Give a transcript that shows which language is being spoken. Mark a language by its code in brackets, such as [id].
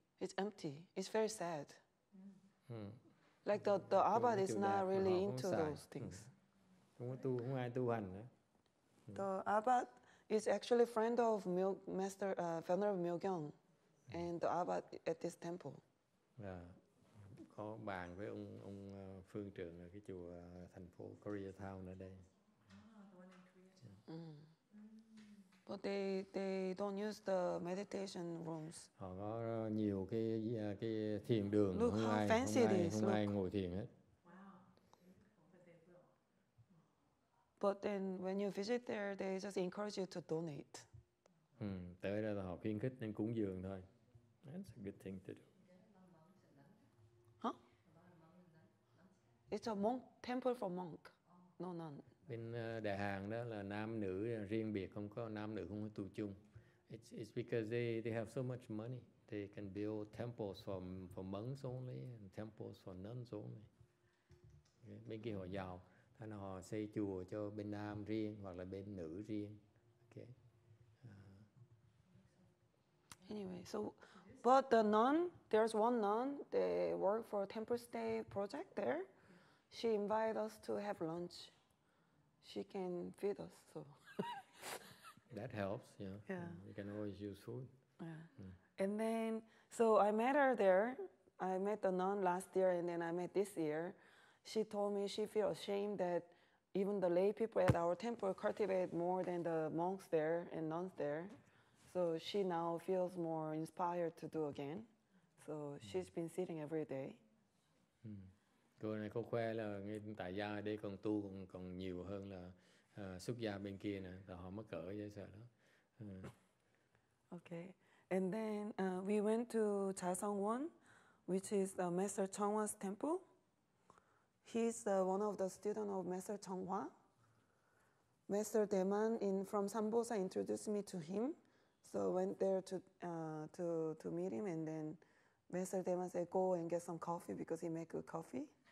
[en] It's empty. It's very sad. Mm. Hmm. Like the abbot is not really into those things. [vi] Không ai tu hành nữa. [en] The abbot is actually friend of Master Venerable Myogyong, and the abbot at this temple. [vi] Có bàn với ông phương trưởng ở cái chùa thành phố Koreatown ở đây. [en] But they don't use the meditation rooms. [vi] Họ có nhiều cái thiền đường. [en] Look how fancy it is. [vi] Không ai ngồi thiền hết. [en] But then when you visit there, they just encourage you to donate. [vi] Tới đây là họ khuyến khích nên cúng dường thôi. [en] That's a good thing to do. Huh? It's a monk temple for monk, no nun. [vi] bên đại hàng đó là nam nữ riêng biệt, không có nam nữ không có tu chung. [en] It's because they have so much money. They can build temples for monks only and temples for nuns only. [vi] Bên kia họ giàu, thế nên họ xây chùa cho bên nam riêng hoặc là bên nữ riêng. [en] Okay. Anyway, so but the nun, there's one nun, they work for a temple stay project there. She invited us to have lunch. She can feed us, so that helps, yeah. Yeah. You can always use food. Yeah. Mm. And then so I met her there. I met the nun last year and then I met this year. She told me she feels ashamed that even the lay people at our temple cultivate more than the monks there and nuns there. So she now feels more inspired to do again. So she's been sitting every day. [vi] Cô này cô khoe là ngay tại gia đây còn tu còn nhiều hơn là xuất gia bên kia nè, là họ mắc cỡ dễ sợ đó. [en] Okay, and then we went to Jaesongwon, which is Master Chonghua's temple. He's one of the students of Master Chonghua. Master Daeman from Sambosa introduced me to him. So went there to meet him, and then Master Daeman said, "Go and get some coffee because he make good coffee."